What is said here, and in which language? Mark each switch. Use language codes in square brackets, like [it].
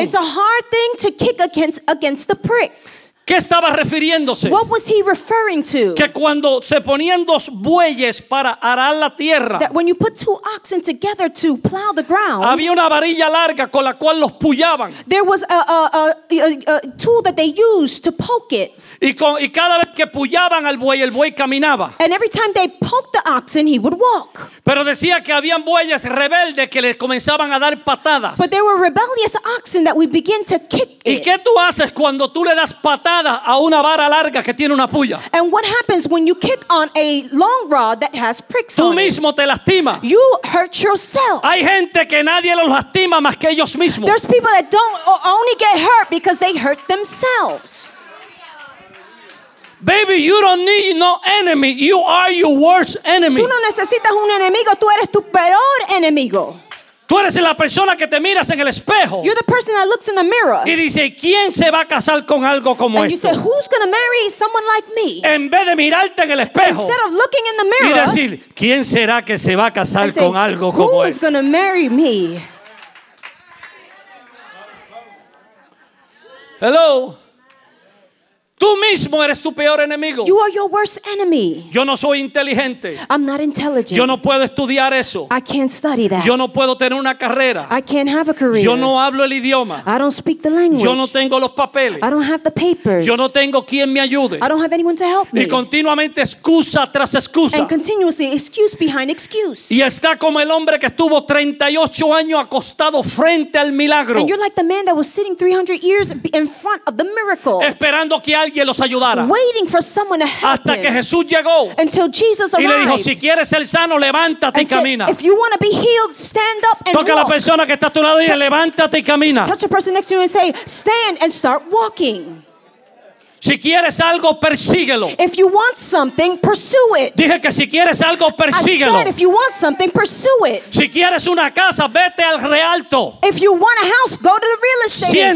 [en] It's a hard thing to kick against the pricks. [es] ¿Qué estaba refiriéndose? [en] What was he referring to? [es] Que cuando se ponían dos bueyes para arar la tierra. [en] That when you put two oxen together to plow the ground. [es] Había una varilla larga con la cual los puyaban. [en] There was a tool that they used to poke it. [es] Y cada vez que puyaban al buey, el buey caminaba. [en] And every time they poked the oxen, he would walk. [es] Pero decía que habían bueyes rebeldes que les comenzaban a dar patadas. [en] But there were rebellious oxen that would begin to kick it. [es] ¿Y qué tú haces cuando tú le das patada a una vara larga que tiene una puya? [en] And what happens when you kick on a long rod that has pricks on it? [es] Tú mismo te lastimas. [en] You hurt yourself. [es] Hay gente que nadie los lastima más que ellos mismos. [en] There's people that don't only get hurt because they hurt themselves. Baby, you don't need no enemy. You are your worst enemy. [es] Tú no necesitas un enemigo. Tú eres tu peor enemigo. Tú eres la persona que te miras en el espejo. [en] You're the person that looks in the mirror. [es] Y dice, ¿quién se va a casar con algo como esto? [en] And you say, who's going to marry someone like me? [es] En vez de mirarte en el espejo. [en] Instead of looking in the mirror. [es] Y decir, ¿quién será que se va a casar con algo como esto? [en] Who's going to marry me? [es] Hello. Tú mismo eres tu peor enemigo. [en] You are your worst enemy. [es] Yo no soy inteligente. [en] I'm not intelligent. [es] Yo no puedo estudiar eso. [en] I can't study that. [es] Yo no puedo tener una carrera. [en] I can't have a career. [es] Yo no hablo el idioma. [en] I don't speak the language. [es] Yo no tengo los papeles. [en] I don't have the papers. [es] Yo no tengo quien me ayude. [en] I don't have anyone to help me. [es] Y continuamente excusa tras excusa. [en] And continuously excuse behind excuse. [es] Y está como el hombre que estuvo 38 años acostado frente al milagro. [en] And you're like the man that was sitting 300 years in front of the miracle. [es] Esperando que alguien los ayudara. [en] Waiting for someone to help him. [es] Hasta que Jesús llegó. [en] Until Jesus arrived. [es] Y le dijo, si quieres ser sano, levántate y camina. [en] If you want to be healed, stand up and walk. [es] Toca a la persona que está a tu lado y levántate y camina. [en] Touch the person next to you and say, stand and start walking. [es] Si quieres algo, persíguelo. [en] If you want something, pursue it. [es] Dije que si quieres algo, persíguelo. [en] I said, if you want something, pursue it. [es] Si quieres una casa, vete al Realto. [en] If you want a house, go to the real estate agent.